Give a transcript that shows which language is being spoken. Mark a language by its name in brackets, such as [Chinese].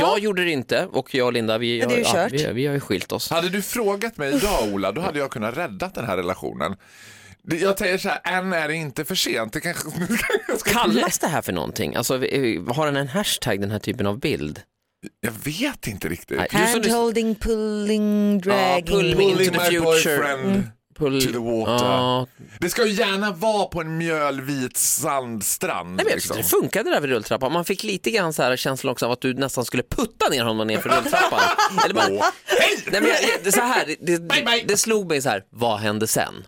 [Swedish] Jag gjorde det inte, och jag och Linda, vi har ju skilt oss. Hade du frågat mig idag, Ola, då hade jag kunnat rädda den här relationen. Jag säger så här, än är det inte för sent. Kallas det här för någonting? Alltså, har den en hashtag, den här typen av bild? Jag vet inte riktigt. [English] Hand holding, pulling, dragging. Pull me into the future. Pull to the water. [Swedish] Det ska ju gärna vara på en mjölvit sandstrand. Nej, men liksom. Det funkade där vid rulltrappan. Man fick lite grann så här känslan också av att du nästan skulle putta ner honom ner för rulltrappan. Eller bara, nej, men så här, det slog mig så här, vad hände sen?